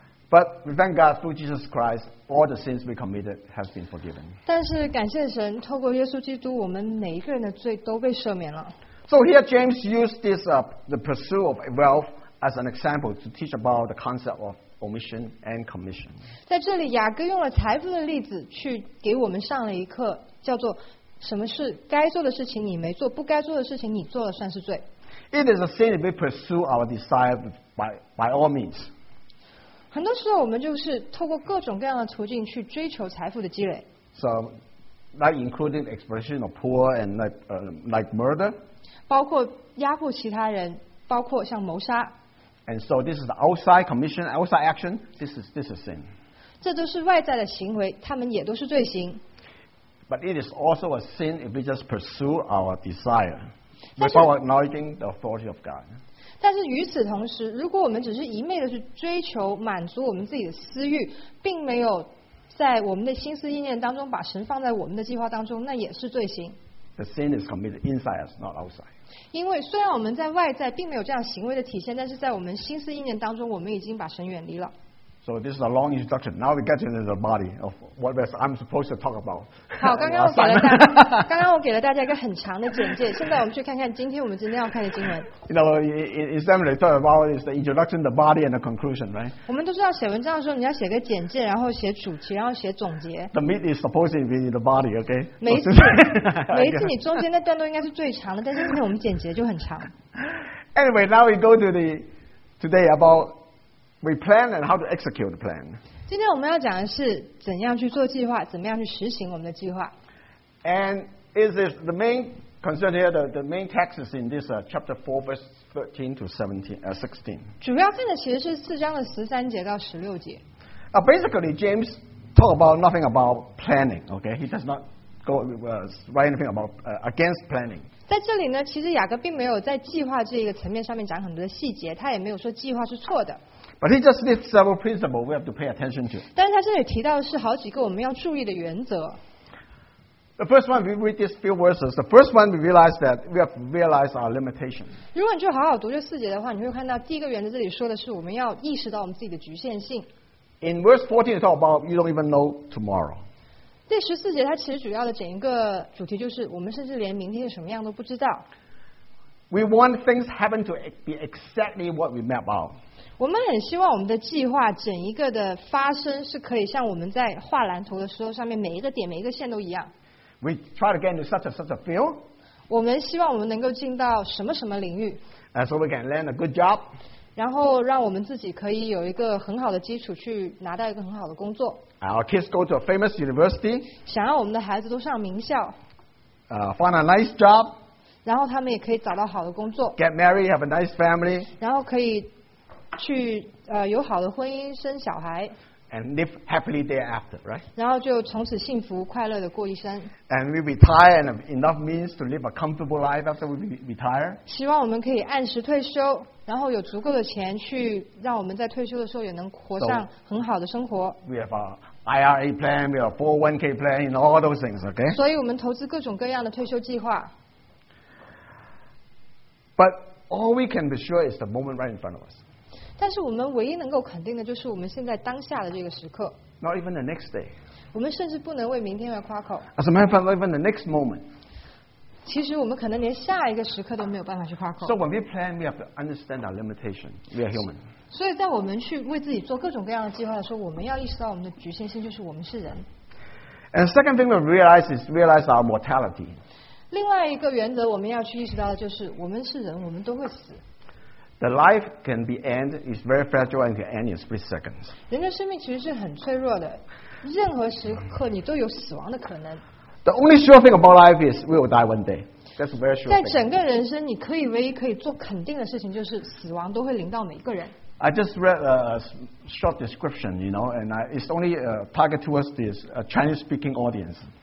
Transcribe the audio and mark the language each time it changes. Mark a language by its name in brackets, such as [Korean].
[English] But we thank God through Jesus Christ, all the sins we committed has been forgiven. [Chinese] 但是感谢神，透过耶稣基督，我们每一个人的罪都被赦免了。 [English] So here James used this the pursuit of wealth as an example to teach about the concept of omission and commission. [Chinese] 在这里，雅各用了财富的例子去给我们上了一课，叫做什么是该做的事情你没做，不该做的事情你做了算是罪。 [English] It is a sin if we pursue our desire by all means. [Chinese] 很多时候我们就是透过各种各样的途径去追求财富的积累。 [English] So, like including expression of poor and like murder. [Chinese] 包括压迫其他人，包括像谋杀。 [English] And so this is the outside commission, outside action. This is sin. [Chinese] 这都是外在的行为，他们也都是罪行。 [English] But it is also a sin if we just pursue our desire without acknowledging the authority of God. [Chinese] 但是与此同时，如果我们只是一昧的去追求满足我们自己的私欲，并没有在我们的心思意念当中把神放在我们的计划当中，那也是罪行。 [English] The sin is committed inside us, not outside. [Chinese] 因为虽然我们在外在并没有这样行为的体现，但是在我们心思意念当中，我们已经把神远离了。 [English] So this is a long introduction. Now we get into the body of what I'm supposed to talk about. [Chinese] 好，刚刚我给了大家一个很长的简介。现在我们去看看今天要看的经文。 [English] You know, in seminary, talk about is the introduction, the body, and the conclusion, right? [Chinese] 我们都知道写文章的时候，你要写个简介，然后写主题，然后写总结。 [English] The meat is supposed to be in the body, okay? [Chinese] 每一次你中间那段落应该是最长的，但是今天我们简洁就很长。 [English] Anyway, now we go to the today about. We plan and how to execute the plan. [Chinese] 今天我们要讲的是怎样去做计划，怎么样去实行我们的计划。 [English] And is this the main concern here? The main text is in this chapter 4, verse 13 to 16. [Chinese] 主要看的其实是四章的十三节到十六节。 [English] Basically, James talk about nothing about planning. Okay, he does not go write anything about against planning. [Chinese] 在这里呢，其实雅各并没有在计划这个层面上面讲很多的细节，他也没有说计划是错的。 [English] But he just lists several principles we have to pay attention to. [Chinese] 但是他这里提到的是好几个我们要注意的原则。 [English] The first one, we read these few verses. The first one, we realize that we have realized our limitations. [Chinese] 如果你就好好读这四节的话，你会看到第一个原则这里说的是我们要意识到我们自己的局限性。 [English] In verse 14, it's all about you don't even know tomorrow. [Chinese] 第十四节它其实主要的整一个主题就是我们甚至连明天是什么样都不知道。 [English] We want things happen to be exactly what we map out. [Chinese] 我们很希望我们的计划整一个的发生是可以像我们在画蓝图的时候上面每一个点每一个线都一样。 [English] We try to get into such a field. [Chinese] 我们希望我们能够进到什么什么领域。 [English] So we can land a good job. [Chinese] 然后让我们自己可以有一个很好的基础去拿到一个很好的工作。 [English] Our kids go to a famous university. [Chinese] 想要我们的孩子都上名校。 [English] Find a nice job. [Chinese] 然后他们也可以找到好的工作。 [English] Get married, have a nice family. [Chinese] 然后可以去有好的婚姻，生小孩。 [English] And live happily thereafter, right? [Chinese] 然后就从此幸福快乐的过一生。 [English] And we retire and have enough means to live a comfortable life after we retire. [Chinese] 希望我们可以按时退休，然后有足够的钱去让我们在退休的时候也能活上很好的生活。 [English] So, we have a IRA plan, we have a 401k plan, and all those things, okay? [Chinese] 所以我们投资各种各样的退休计划。 [English] But all we can be sure is the moment right in front of us. [Chinese] 但是我们唯一能够肯定的就是我们现在当下的这个时刻。 [English] Not even the next day. [Chinese] 我们甚至不能为明天而夸口。 [English] As a matter of fact, not even the next moment. [Chinese] 其实我们可能连下一个时刻都没有办法去夸口。 [English] So when we plan, we have to understand our limitation. We are human. [Chinese] 所以在我们去为自己做各种各样的计划的时候，我们要意识到我们的局限性，就是我们是人。 [English] And the second thing we realize is realize our mortality. [Chinese] 另外一个原则我们要去意识到的就是我们是人，我们都会死。 [English] The life can be end is very fragile and can end in split seconds. [Chinese] 人的生命其实是很脆弱的，任何时刻你都有死亡的可能。 [English] The only sure thing about life is we will die one day. That's a very sure. [Chinese] 在整个人生，你可以唯一可以做肯定的事情就是死亡都会临到每一个人。 [English] I just read a short description, you know, and it's only targeted towards this Chinese-speaking audience.